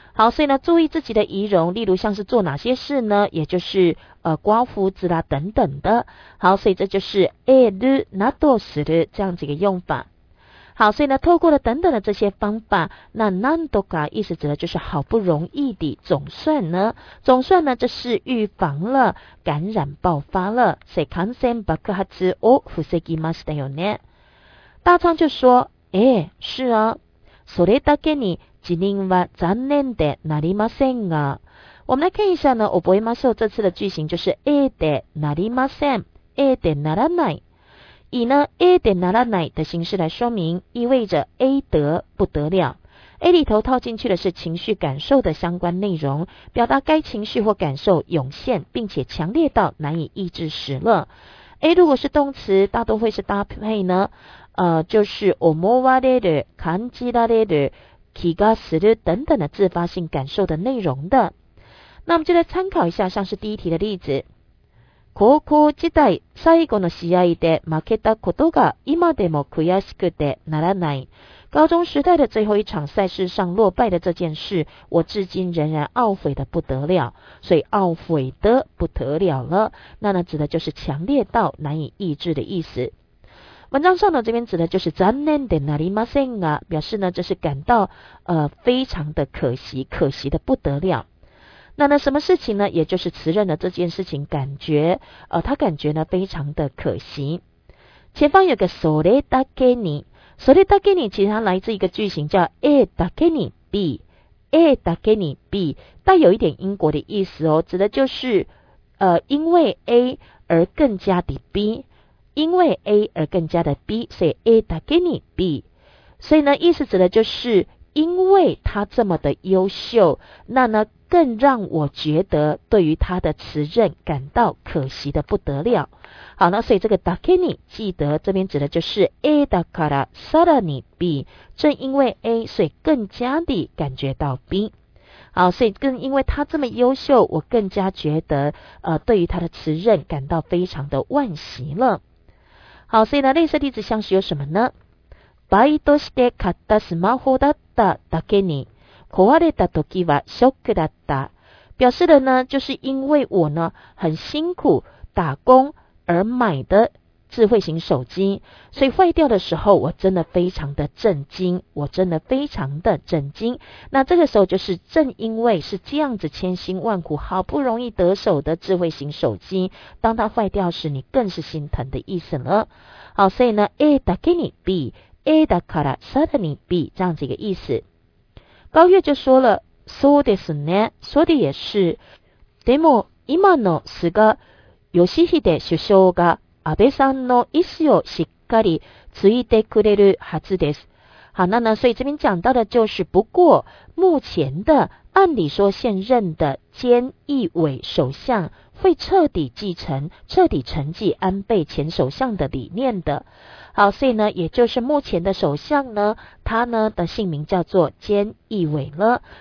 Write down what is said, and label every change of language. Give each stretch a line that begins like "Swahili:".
Chinese: 好，所以呢注意自己的仪容，例如像是做哪些事呢，也就是刮胡子啦等等的。好，所以这就是えるなどする这样子一个用法。好，所以呢透过了等等的这些方法，那なんとか意思指的就是好不容易的，总算呢这是预防了感染爆发了。
Japanese: 所以感染爆発を防ぎましたよね。
Chinese: 大昌就说是啊，
Japanese: それだけに辞任は残念でなりませんが。
Chinese: 我们来看一下呢覚えましょう，这次的句型就是でなりません、でならない，以呢 A 得ならない的形式来说明，意味着 A 得不得了。 A 里头套进去的是情绪感受的相关内容，表达该情绪或感受涌现并且强烈到难以抑制时了。 A 如果是动词大多会是搭配呢就是思われる、感じられる、気がする等等的自发性感受的内容的。那我们就来参考一下像是第一题的例子。
Japanese: 高校時代最後の試合で負けたことが今でも悔しくてならない。
Chinese: 高中時代的最後一場賽事上落敗的這件事我至今仍然懊悔的不得了。所以懊悔的不得了了，那指的就是強烈到難以抑制的意思。文章上呢这边指的就是
Japanese: 残念でなりませんが，
Chinese: 表示呢就是感到非常的可惜，可惜的不得了。那呢什么事情呢，也就是辞任的这件事情感觉他感觉呢非常的可惜。前方有个それだけに，それだけに其实它来自一个句型叫 A だけに B， A だけに B 带有一点因果的意思哦，指的就是因为 A 而更加的 B， 因为 A 而更加的 B， 所以 A だけに B， 所以呢意思指的就是因为他这么的优秀，那呢更让我觉得对于他的辞任感到可惜的不得了。好，那所以这个だけに记得这边指的就是
Japanese: A だからさらに B，
Chinese: 正因为 A 所以更加地感觉到 B。好，所以更因为他这么优秀我更加觉得对于他的辞任感到非常的惋惜了。好，所以呢类似例子像是有什么呢，
Japanese: バイトして買ったスマホだっただけに壊れた時はショックだった。
Chinese: 表示的呢就是因为我呢很辛苦打工而买的智慧型手机，所以坏掉的时候我真的非常的震惊，我真的非常的震惊。那这个时候就是正因为是这样子千辛万苦好不容易得手的智慧型手机，当它坏掉时你更是心疼的意思了。好，所以呢 A だけに B
Japanese: A だからさらに B
Chinese: 这样子一个意思。高月就说了，
Japanese: そうですね、
Chinese: 说的也是。
Japanese: でも今の菅義偉首相が安倍さんの意思をしっかり継いでくれるはずです。
Chinese: 好，那呢，所以这边讲到的就是，不过目前的按理说现任的菅义伟首相会彻底继承、彻底承继安倍前首相的理念的。好，所以呢，也就是目前的首相呢，他呢的姓名叫做菅义伟了。